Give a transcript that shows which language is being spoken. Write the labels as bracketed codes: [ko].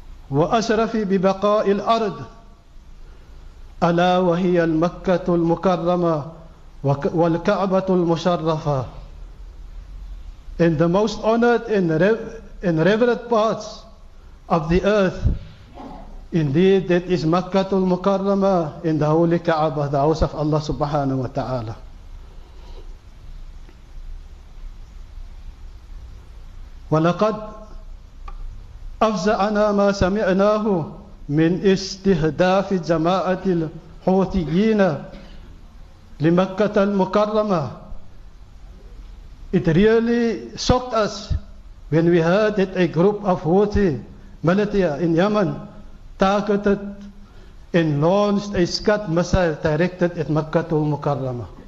[ar] وَأَشْرَفِ بِبَقَاءِ الْأَرْضِ ألا وهي المكة المكرمة والكعبة المشرفة. [en] In the most honored and revered parts of the earth, indeed that is مكة المكرمة in the holy Kaaba, the house of Allah subhanahu wa ta'ala. [ar] ولقد أفزعنا ما سمعناه من استهداف جماعة الحوثيين لمكة المكرمة. [en] It really shocked us when we heard that a group of Houthi militia in Yemen targeted and launched a Scud missile directed at مكة المكرمة.